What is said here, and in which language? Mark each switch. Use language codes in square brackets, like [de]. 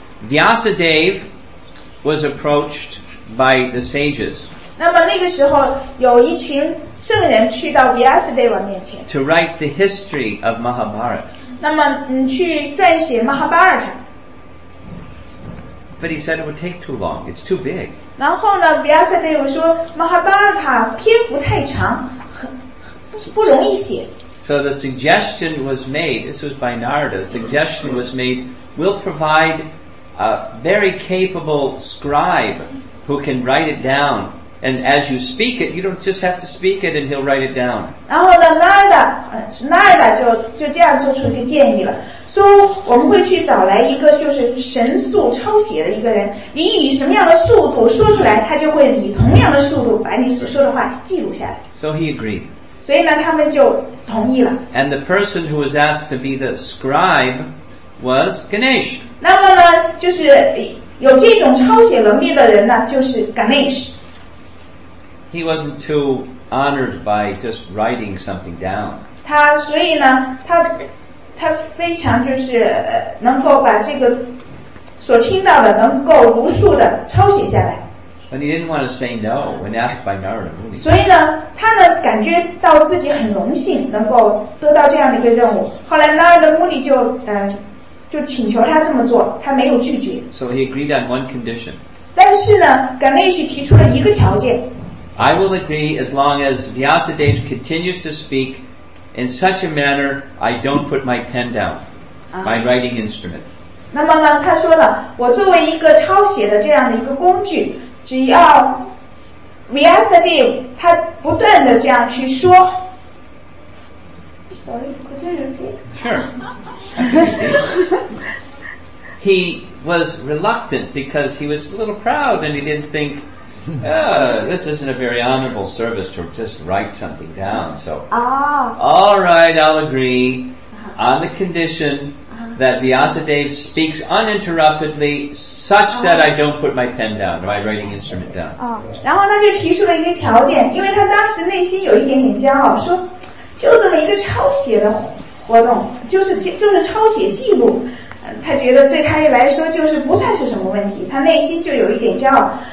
[en] Vyasadeva was approached by the sages. [zh] 那么那个时候有一群圣人去到 Vyasadeva 面前 [en] to write the history of Mahabharata. [zh] 那么去撰写 Mahabharata. [en] But he said it would take too long. It's too big. [zh] 然后呢，比亚塞德又说，马哈巴拉塔篇幅太长，不容易写。 [en] So the suggestion was made. This was by Narada. Suggestion was made. We'll provide a very capable scribe who can write it down. And as you speak it, you don't just have to speak it, and he'll write it down. [zh] 然后呢 ，Narada 就这样做出一个建议了，说我们会去找来一个就是神速抄写的一个人，你以什么样的速度说出来，他就会以同样的速度把你所说的话记录下来。 [en] So he agreed. [zh] 所以呢，他们就同意了。 [en] And the person who was asked to be the scribe was Ganesh. [zh] 那么呢，就是有这种抄写能力的人呢，就是 Ganesh。 [en] He wasn't too honored by just writing something down. [zh] 他所以呢，他非常就是能够把这个所听到的能够如数的抄写下来。 [en] But he didn't want to say no when asked by Narada. [zh] 所以呢，他呢感觉到自己很荣幸能够得到这样的一个任务。后来 Narada Muni 就请求他这么做，他没有拒绝。 [en] So he agreed on one condition. [zh] 但是呢 ，Ganesh 提出了一个条件。 [en] I will agree as long as Vyasadeva continues to speak in such a manner I don't put my pen down, my writing instrument. [zh] 那么呢，他说了，我作为一个抄写的这样的一个工具，只要 Vyasadeva 他不断的这样去说。 [en] Sorry, could you repeat? Sure. He was reluctant because he was a little proud and he didn't think. This isn't a very honorable service to just write something down. So,all right, I'll agree on the condition that Vyasadeva speaks uninterruptedly, such that I don't put my pen down, my writing instrument down. [zh] 然后他就提出了一个条件，因为他当时内心有一点点骄傲，说就这么一个抄写的活动，就是抄写记录。他觉得对他来说就是不算是什么问题，他内心就有一点骄傲。